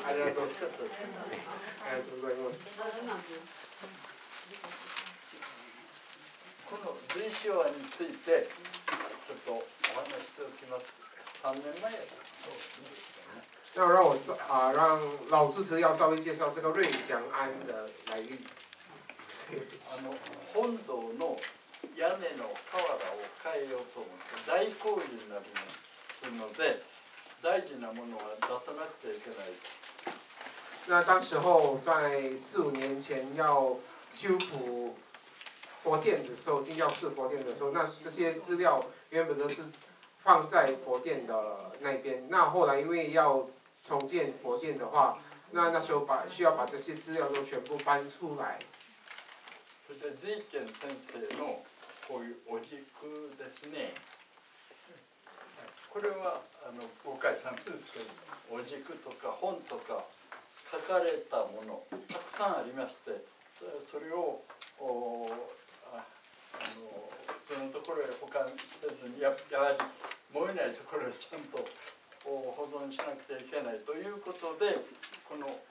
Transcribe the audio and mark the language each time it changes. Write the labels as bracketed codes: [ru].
[ja] ありがとうございます。ありがとうございます。この随所話についてちょっとお話しておきます。 3年前やった。 [zh] 要让我让老主持要稍微介绍这个瑞祥庵的来历。 [ja] 本堂の屋根の瓦を変えようと思って大工事になりますので大事なものは出さなくちゃいけない。 [zh] 那当时候在4、5年前要修复佛殿的时候，金耀寺佛殿的时候，那这些资料原本都是放在佛殿的那边，那后来因为要重建佛殿的话，那时候需要把这些资料都全部搬出来。 [ja] それで瑞賢先生のこういうお軸ですね。これは誤解さんですけど、お軸とか本とか書かれたものたくさんありまして、それを普通のところへ保管せずに、やはり燃えないところへちゃんと保存しなくちゃいけないということで、この